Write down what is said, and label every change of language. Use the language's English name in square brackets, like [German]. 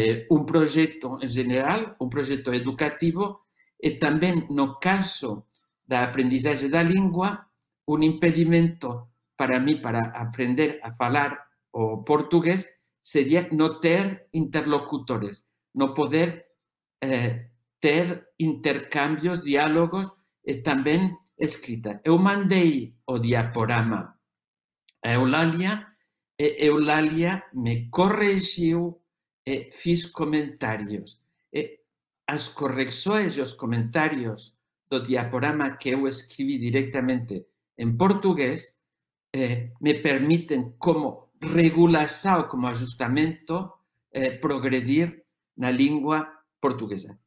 [Spanish] un proyecto en general, un proyecto educativo, y también, [Portuguese] no caso [Spanish] del aprendizaje de la lengua, un impedimento para mí para aprender a hablar o portugués sería no tener interlocutores, no poder tener intercambios, diálogos y también escrita. [Portuguese] Eu mandei o diaporama a Eulalia. [Spanish] Eulalia me corrigió y [Portuguese] fiz [Spanish] comentarios. Las correcciones y los comentarios del diaporama que yo escribí directamente en portugués me permiten, como regulación, como ajustamiento, [Portuguese] progredir [Spanish] en la lengua portuguesa.